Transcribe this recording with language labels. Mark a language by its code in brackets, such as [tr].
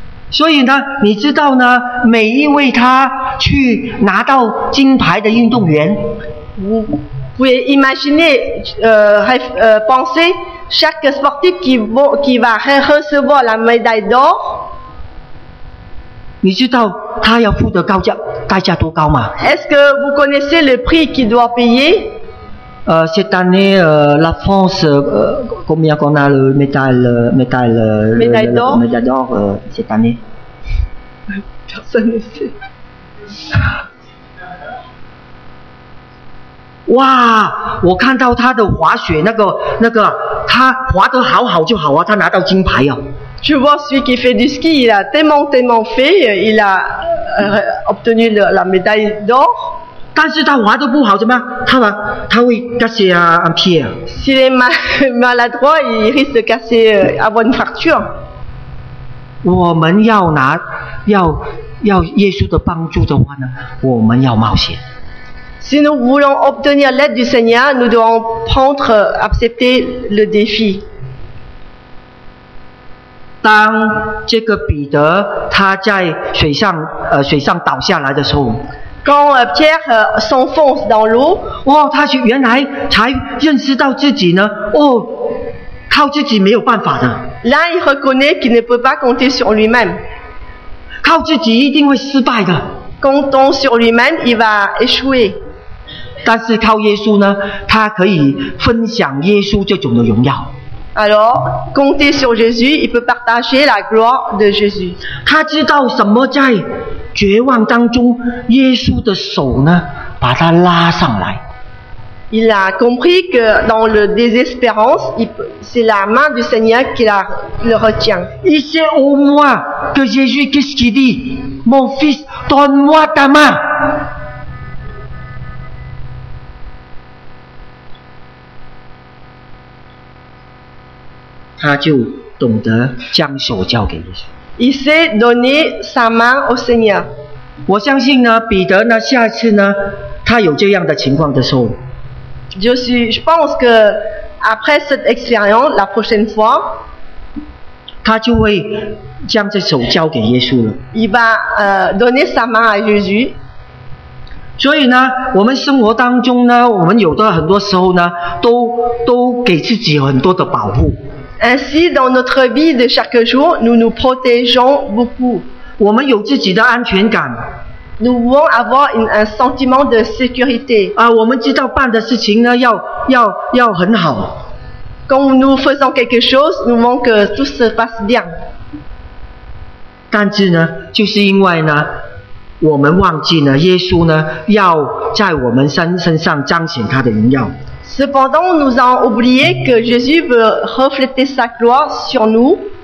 [zh] 所以呢，你知道呢，每一位他去拿到金牌的运动员。 [fr] Vous pouvez imaginer, penser chaque sportif qui va recevoir la médaille d'or. [zh] 你知道他要付的高价代价多高吗 [fr] ？Est-ce que vous connaissez le prix qu'il doit payer？ Cette année, la France, combien qu'on a le médaille d'or cette année？ Personne ne sait. [zh] 哇，我看到他的滑雪那个，他滑得好好就好啊，他拿到金牌啊。 [fr] Tu vois celui qui fait du ski, il a tellement fait, il a obtenu la médaille d'or. [zh] 但是他滑得不好怎么样？他会 [fr] casser un pied. S'il est maladroit, il risque de avoir une fracture. [zh] 我们要耶稣的帮助的话呢，我们要冒险。 [fr] Si nous voulons obtenir l'aide du Seigneur, nous devons prendre, accepter le défi. [zh] 当这个彼得他在水上倒下来的时候 [fr] ，Quand Pierre s'enfonce dans l'eau, [zh] 哇，他原来才认识到自己呢，哦，靠自己没有办法的。 [fr] Là, il reconnaît qu'il ne peut pas compter sur lui-même. [zh] 靠自己一定会失败的。 [fr] Comptant sur lui-même, il va échouer. [zh] 但是靠耶稣呢，他可以分享耶稣这种的荣耀。 [fr] Alors, compter sur Jésus, il peut partager la gloire de Jésus. [zh] 他知道什么在绝望当中，耶稣的手呢，把他拉上来。 [fr] Il a compris que dans le désespérance, c'est la main du Seigneur qui le retient. Il sait au moins que Jésus, qu'est-ce qu'il dit? Mon fils, donne-moi ta main! [zh] 他就懂得将手交给耶稣。 [fr] Il sait donner sa main au Seigneur. [zh] 我相信呢，彼得呢，下次呢，他有这样的情况的时候。 [fr] Je pense que après cette expérience, la prochaine fois, [zh] 他就会将这手交给耶稣了。 [fr] Il va donner sa main à Jésus. [zh] 所以呢，我们生活当中呢，我们有的很多时候呢，都给自己很多的保护。 [fr] Ainsi, dans notre vie de chaque jour, nous nous protégeons beaucoup. [zh] 我们有自己的安全感。 [fr] Nous voulons avoir un sentiment de sécurité. [zh] 我们知道办的事情呢, 要很好。 [fr] Quand nous faisons quelque chose, nous voulons que tout se passe bien. [zh] 但是呢, 就是因为呢, 我们忘记呢, 耶稣呢, 要在我们身上彰显他的荣耀。 [fr] Cependant, nous avons oublié que Jésus veut refléter sa gloire sur nous.